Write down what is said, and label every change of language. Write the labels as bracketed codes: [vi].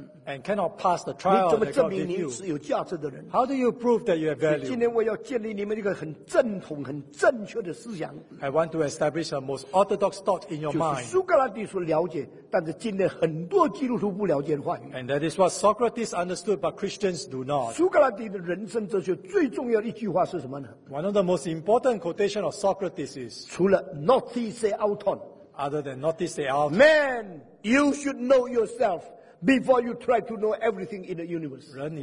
[en] and cannot pass the trial that God gave you, how do you prove that you have value? [zh] 今天我要建立你们一个很正统、很正确的思想。 [en] I want to establish a most orthodox thought in your mind. [zh] 就是苏格拉底所了解, 但是今天很多基督徒不了解的话语。 [en] And that is what Socrates understood, but Christians do not. [zh] 苏格拉底的人生哲学最重要的一句话是什么呢? [en] One of the most important quotations of Socrates is, [zh] 除了 Noti se auton, [en] other than Noti se auton, man, you should know yourself before you try to know everything in the universe.